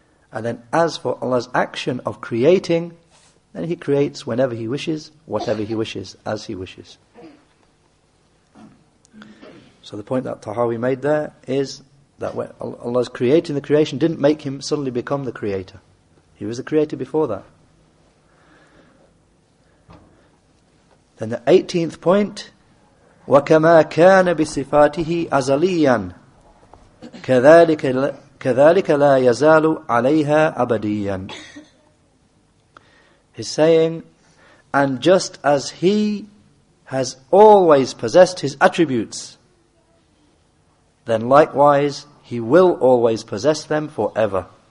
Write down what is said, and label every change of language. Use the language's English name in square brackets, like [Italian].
[English] And then as for Allah's action of creating, then he creates whenever he wishes, whatever he wishes, as he wishes. So the point that Tahawi made there is that when Allah's creating the creation didn't make him suddenly become the creator. He was the creator before that. Then the 18th point, [Arabic] وَكَمَا كَانَ بِصِفَاتِهِ أَزَلِيًّا كَذَلِكَ لَا يَزَالُ عَلَيْهَا أَبَدِيًّا. [English] He's saying, and just as he has always possessed his attributes, then likewise he will always possess them forever.